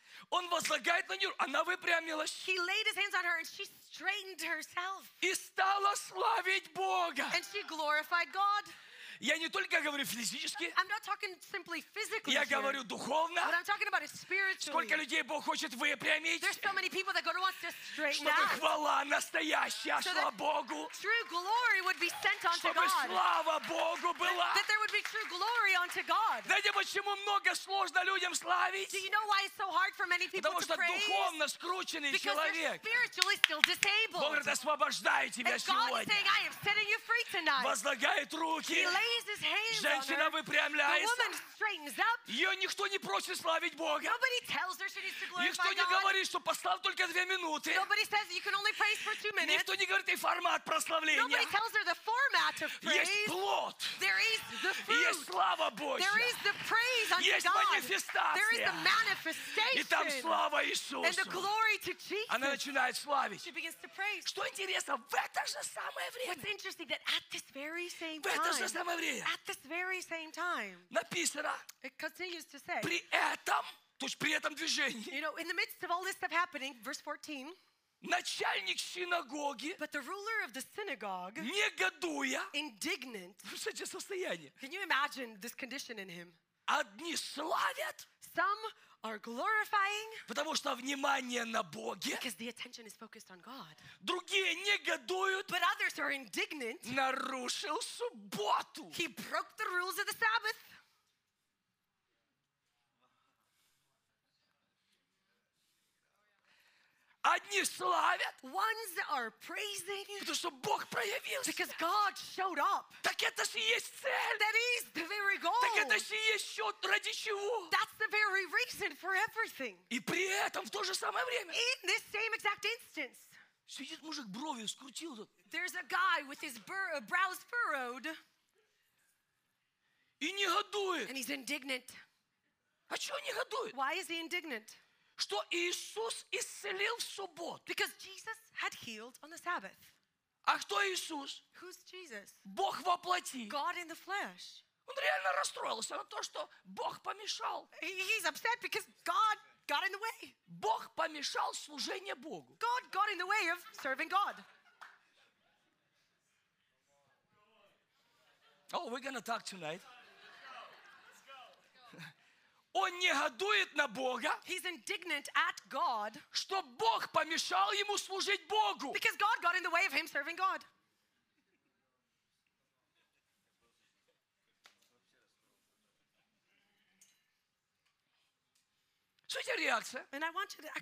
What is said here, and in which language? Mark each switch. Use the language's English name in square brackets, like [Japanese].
[Russian] Он возлагает на нее, она выпрямилась. [English] He laid his hands on her and she straightened herself. [Russian] И стала славить Бога. [English] And she glorified God. [Russian] Я не только говорю физически. [English] I'm not talking simply physically. [Russian] Я говорю духовно. [English] But I'm talking about it spiritually. [Russian] Сколько людей Бог хочет выпрямить. [English] There's so many people that God wants to straighten out. [Russian] Чтобы хвала настоящая шла Богу. [English] True glory would be sent unto God. [Russian] Чтобы слава Богу была. [English] That there would be true glory unto God. [Russian] Знаете, почему много сложно людям славить? [English] Do you know why it's so hard for many people to praise? [Russian] Потому что духовно скрученный человек. [English] Because they're spiritually still disabled. [Russian] Бог говорит, освобождаю тебя сегодня. [English] And God is saying, I am setting you free tonight. [Russian] Возлагает руки. [English] He lays raises hands [Russian] женщина [English] on her, [Russian] выпрямляется. [English] The woman straightens up. [Russian] Ее никто не просит славить Бога. [English] Nobody tells her she needs to glorify [Russian] никто не [English] God. [Russian] Говорит, что поставь только две минуты. [English] Nobody says you can only praise for two minutes. [Russian] Никто не говорит, и формат прославления. [English] Nobody tells her the format of praise. [Russian] Есть плод. [English] There is the fruit. [Russian] Есть слава Божья. [English] There is the praise unto [Russian] есть [English] God. [Russian] Манифестация. [English] There is the manifestation. [Russian] И там слава Иисусу. [English] And the glory to Jesus. [Russian] Она начинает славить. [English] She begins to praise. [Russian] Что интересно, в это же самое время. [English] What's interesting that at this very same time, at this very same time, [Russian] написано, [English] it continues to say, [Russian] при этом, то есть при этом движении, [English] you know, in the midst of all this stuff happening, verse 14, [Russian] начальник синагоги, [English] but the ruler of the synagogue, [Russian] негодуя, [English] indignant, can you imagine this condition in him? [Russian] Одни славят, [English] some are glorifying, [Russian] потому что внимание на Боге. [English] Because the attention is focused on God. [Russian] Другие негодуют. [English] But others are indignant. [Russian] Нарушил субботу. [English] He broke the rules of the Sabbath. [Russian] Одни славят. [English] Ones are praising. [Russian] Потому что Бог проявился. [English] Because God showed up. [Russian] Так это же есть цель. [English] That is the very goal. [Russian] Так это же есть счет ради чего. [English] That's the very reason for everything. [Russian] И при этом в то же самое время. [English] In this same exact instance. [Russian] Сидит мужик брови скрутил. [English] There's a guy with his brows furrowed. [Russian] И негодует. [English] And he's indignant. [Russian] А чего негодует? [English] Why is he indignant? [Russian] Что Иисус исцелил в субботу. [English] Because Jesus had healed on the Sabbath. [Russian] А кто Иисус? [English] Who's Jesus? [Russian] Бог во плоти. [English] God in the flesh. [Russian] Он реально расстроился на то, что Бог помешал. [English] He's upset because God got in the way. [Russian] Бог помешал служению Богу. [English] God got in the way of serving God. Oh, we're gonna talk tonight. [Russian] Он негодует на Бога, [English] he's indignant at God, [Russian] что Бог помешал ему служить Богу. [English] Because God got in the way of him serving God. [Russian] Смотрите реакция. [English] And I want you to actually